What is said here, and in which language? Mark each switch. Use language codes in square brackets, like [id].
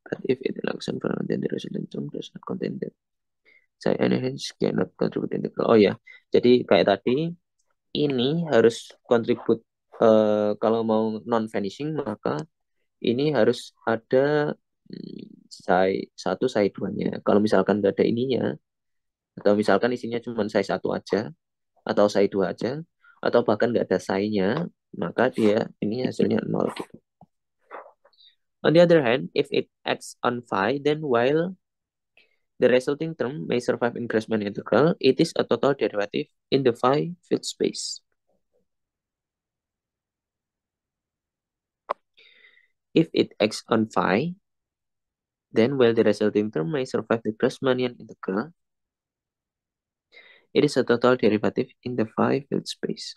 [en] But if it acts on fermion, then the resulting term does not contain that. Saya enhance cannot contribute integral. Oh ya, yeah. [id] Jadi kayak tadi ini harus contribute kalau mau non vanishing maka ini harus ada psi satu psi duanya. Kalau misalkan nggak ada ininya atau misalkan isinya cuma psi satu aja atau psi dua aja atau bahkan nggak ada psi-nya maka dia ini hasilnya nol gitu. [en] On the other hand, if it acts on phi, then while the resulting term may survive in Grassmann integral, it is a total derivative in the phi field space. If it acts on phi, then while the resulting term may survive the Grassmannian integral, it is a total derivative in the phi field space.